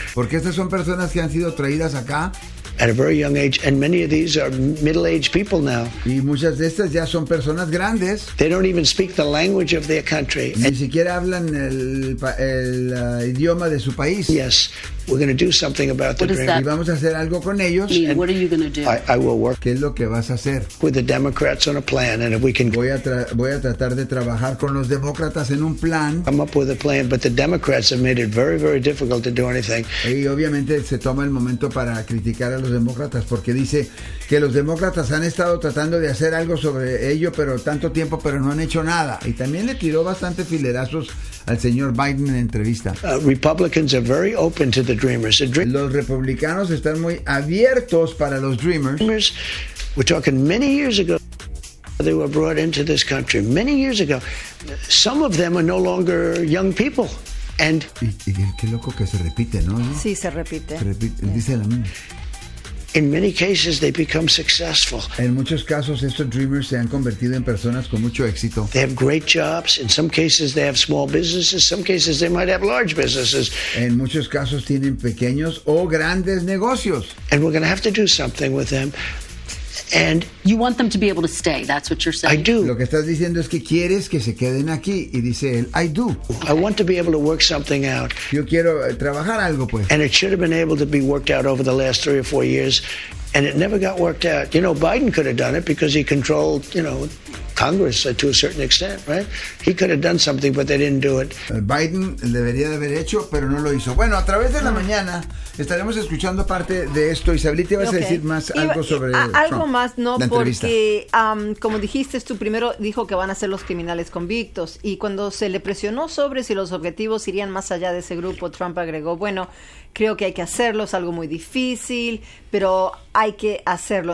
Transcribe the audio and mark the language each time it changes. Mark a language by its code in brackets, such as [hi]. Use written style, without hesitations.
[es] Porque estas son personas que han sido traídas acá. [en] At a very young age, and many of these are middle-aged people now. [es] Y muchas de estas ya son personas grandes. [en] They don't even speak the language of their country. [es] Ni siquiera hablan el idioma de su país. [en] Yes, we're going to do something about the Dreamers. [es] Y vamos a hacer algo con ellos. [en] And what are you going to do? I will work. [es] ¿Qué es lo que vas a hacer? [en] With the Democrats on a plan, and if we can. [es] Voy a tratar de trabajar con los demócratas en un plan. [en] Come up with a plan, but the Democrats have made it very, very difficult to do anything. [es] Y obviamente se toma el momento para criticar a los demócratas porque dice que los demócratas han estado tratando de hacer algo sobre ello pero no han hecho nada, y también le tiró bastante filerazos al señor Biden en entrevista. [en] Republicans are very open to the Dreamers. [es] Los republicanos están muy abiertos para los Dreamers. [en] We're talking many years ago they were brought into this country. Many years ago. Some of them are no longer young people. And [es] qué loco que se repite, ¿no? Sí, se repite. Dice la misma. [en] In many cases, they become successful. [es] En muchos casos, estos Dreamers se han convertido en personas con mucho éxito. [en] They have great jobs. In some cases, they have small businesses. Some cases, they might have large businesses. [es] En muchos casos, tienen pequeños o grandes negocios. [en] And we're going to have to do something with them. And you want them to be able to stay. That's what you're saying. I do. [es] Lo que estás diciendo es que quieres que se queden aquí. Y dice él, [en] I do. I want to be able to work something out. [es] Yo quiero trabajar algo, pues. [en] And it should have been able to be worked out over the last 3 or 4 years. And it never got worked out. You know, Biden could have done it because he controlled, you know, Congress to a certain extent, right? He could have done something, but they didn't do it. [es] Biden debería de haber hecho, pero no lo hizo. Bueno, a través de la mañana, estaremos escuchando parte de esto. Isabel, ¿te vas a decir más algo sobre algo Trump? Más, no, porque como dijiste, tú primero dijo que van a ser los criminales convictos, y cuando se le presionó sobre si los objetivos irían más allá de ese grupo, Trump agregó, bueno, creo que hay que hacerlo, es algo muy difícil, pero hay que hacerlo.